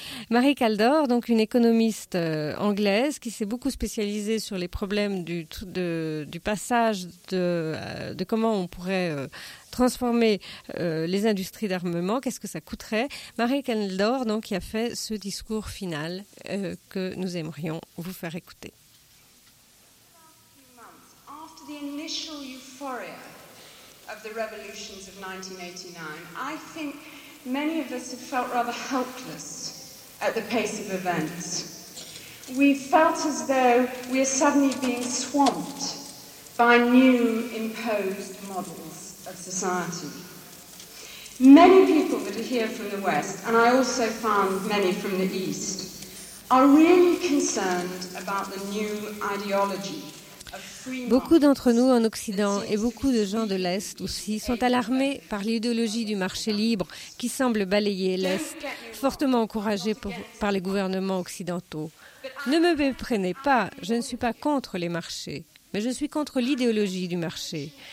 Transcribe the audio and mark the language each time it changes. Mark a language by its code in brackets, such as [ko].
[fr] Marie Cantor, donc une économiste anglaise qui s'est beaucoup spécialisée sur les problèmes du passage de comment on pourrait transformer les industries d'armement, qu'est-ce que ça coûterait. Marie Cantor, donc, qui a fait ce discours final que nous aimerions vous faire écouter. [en] After the initial euphoria of the revolutions of 1989, I think many of us have felt rather helpless at the pace of events. We felt as though we are suddenly being swamped by new imposed models of society. Many people that are here from the West, and I also found many from the East, are really concerned about the new ideology. [fr] Beaucoup d'entre nous en Occident et beaucoup de gens de l'Est aussi sont alarmés par l'idéologie du marché libre qui semble balayer l'Est, fortement encouragée par les gouvernements occidentaux. Ne me méprenez pas, je ne suis pas contre les marchés, mais je suis contre l'idéologie du marché.